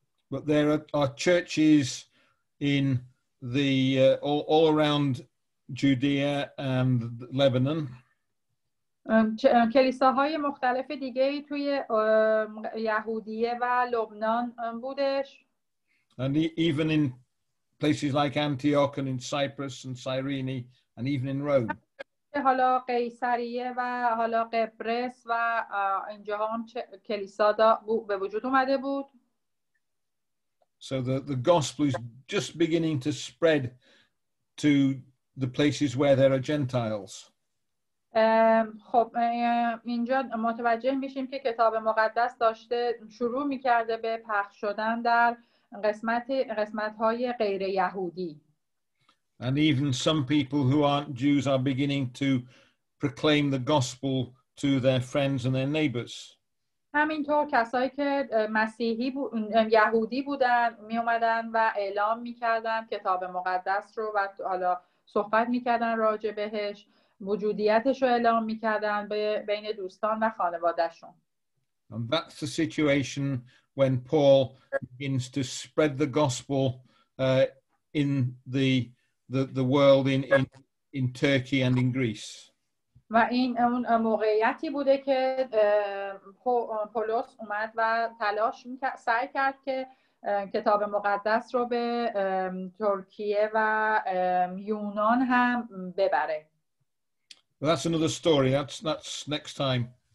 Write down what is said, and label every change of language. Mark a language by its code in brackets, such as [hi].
[en] But there are churches in the all around Judea and Lebanon. [fa] کلیساهای مختلف دیگه توی یهودیه و لبنان بودش. [en] And even in places like Antioch and in Cyprus and Cyrene and even in Rome. [fa] حالا قیصریه و حالا قبرس و اینجا هم کلیسا به وجود اومده بود. [en] So the gospel is just beginning to spread to the places where there are Gentiles. [fa] خب اینجا متوجه میشیم که کتاب مقدس داشته شروع میکرده به پخش شدن در قسمت‌های غیر یهودی. [en] And even some people who aren't Jews are beginning to proclaim the gospel to their friends and their neighbors. [fa] همینطور کسایی که مسیحی یهودی بودن می اومدن و اعلام میکردن کتاب مقدس رو و حالا صحبت میکردن راجع بهش وجودیتش رو اعلام میکردن بین دوستان و خانوادهشون. [en] And that's the situation when Paul begins to spread the gospel in the world in Turkey and in Greece. [fa] و این اون موقعیتی بوده که پولس اومد و تلاش میکرد سعی کرد که کتاب مقدس رو به ترکیه و یونان هم ببره. [en] That's another story. That's next time.